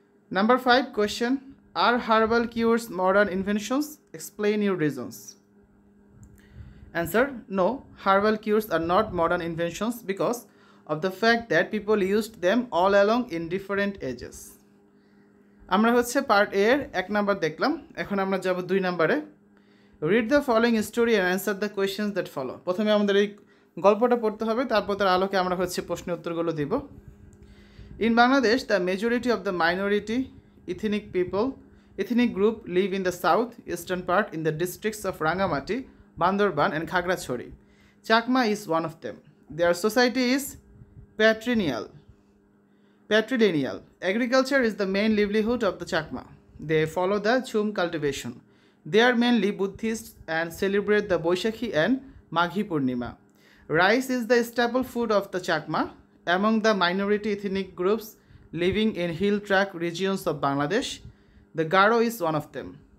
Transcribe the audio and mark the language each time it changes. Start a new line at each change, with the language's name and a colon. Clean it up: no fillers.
English: Number 5 question, are herbal cures modern inventions? Explain your reasons. Answer, no, herbal cures are not modern inventions because of the fact that people used them all along in different ages.
Bangla: আমরা হচ্ছে part এ এর এক number দেখলাম, এখন আমরা যাব দুই নাম্বারে।
English: Read the following story and answer the questions that follow.
Bangla: প্রথমে আমাদের এই গল্পটা পড়তে হবে, তারপর তার আলোকে আমরা হচ্ছে প্রশ্ন উত্তরগুলো দিব।
English: In Bangladesh the majority of the minority ethnic people ethnic group live in the south eastern part in the districts of Rangamati Bandarban and Khagrachari. Chakma is one of them. Their society is patrilineal Patrilineal. Agriculture is the main livelihood of the Chakma. They follow the Chum cultivation. They are mainly Buddhists and celebrate the Boishakhi and Maghi Purnima. Rice is the staple food of the Chakma. Among the minority ethnic groups living in hill tract regions of Bangladesh, the Garo is one of them.